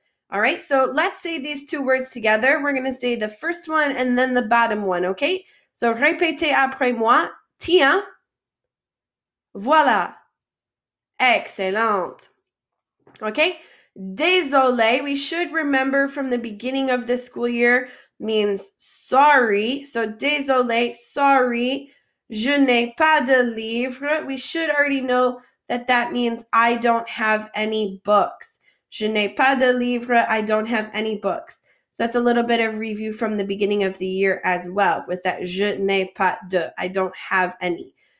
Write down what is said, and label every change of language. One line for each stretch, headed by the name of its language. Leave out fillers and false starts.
English: All right, so let's say these two words together. We're going to say the first one and then the bottom one, okay?
French: So répétez après moi, tiens, voilà.
English: Excellent. Okay. Désolé, we should remember from the beginning of the school year, means sorry.
French: So désolé, sorry, je n'ai pas de livre.
English: We should already know that that means I don't have any books.
French: Je n'ai pas de livre,
English: I don't have any books. So that's a little bit of review from the beginning of the year as well with that
French: je n'ai pas de,
English: I don't have any.